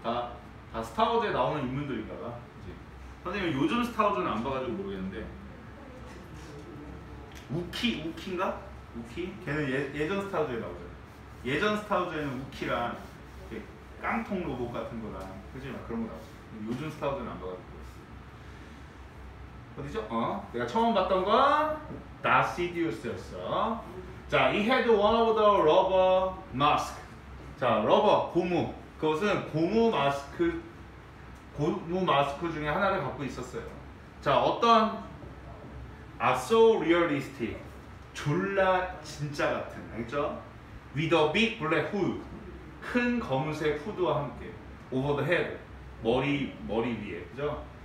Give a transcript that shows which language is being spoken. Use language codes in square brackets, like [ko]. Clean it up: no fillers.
[ko] 다 스타워즈에 나오는 인물들인가 봐. 선생님 요즘 스타워즈는 안 봐가지고 모르겠는데 우키인가? 우키? 걔는 예전 스타워즈에 나오잖아. 예전 스타워즈에는 우키랑 깡통 로봇 같은 거랑 그지? 막 그런 거 나오지. 요즘 스타워즈는 안 봐가지고 모르겠어. 어디죠? 어? 내가 처음 봤던 건 다시디우스였어. [en] 자, he had one of the rubber mask. [ko] 자, 러버, 고무. 그것은 고무 마스크. 고무 마스크 중에 하나를 갖고 있었어요. 자, 어떤 아 [en] so realistic [ko] 졸라 진짜 같은 알겠죠? [en] With a big black hood [ko] 큰 검은색 후드와 함께 [en] over the head [ko] 머리 위에 그죠?